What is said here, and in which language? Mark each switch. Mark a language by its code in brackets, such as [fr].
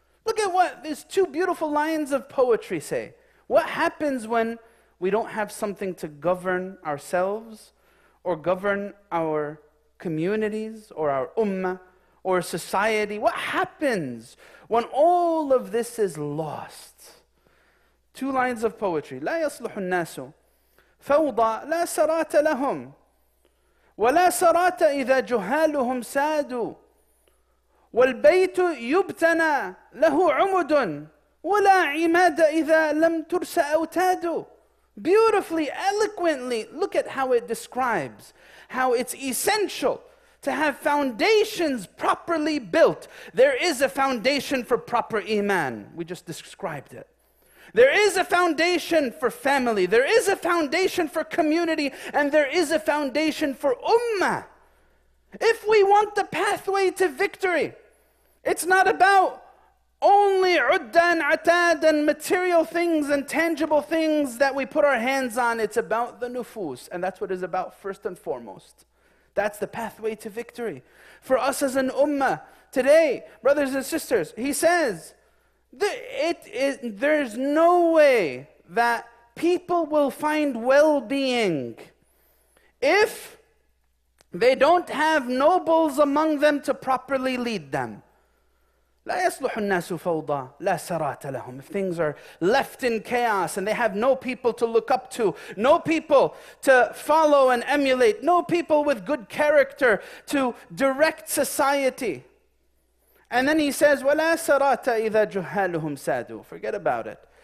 [en] Look at what these two beautiful lines of poetry say. What happens when we don't have something to govern ourselves or govern our communities or our ummah or society? What happens when all of this is lost? Two lines of poetry. [ar] لا يصلح الناس فوضى لا سرات لهم ولا سرات إذا جهالهم سادوا والبيت يبتنى له عمد ولا عماد إذا لم ترس أوتادوا. [en] Beautifully, eloquently, look at how it describes how it's essential to have foundations properly built. There is a foundation for proper iman. We just described it. There is a foundation for family. There is a foundation for community. And there is a foundation for ummah. If we want the pathway to victory, it's not about only udda and atad and material things and tangible things that we put our hands on. It's about the nufus. And that's what it's about first and foremost. That's the pathway to victory. For us as an ummah today, brothers and sisters, he says, there's no way that people will find well-being if they don't have nobles among them to properly lead them. [ar] لا يصلح الناس فوضى لا سرات لهم. [en] If things are left in chaos and they have no people to look up to, no people to follow and emulate, no people with good character to direct society. And then he says, [ar] وَلَا سَرَاتَ إِذَا جُهَالُهُمْ سَادُوا. [en] Forget about it.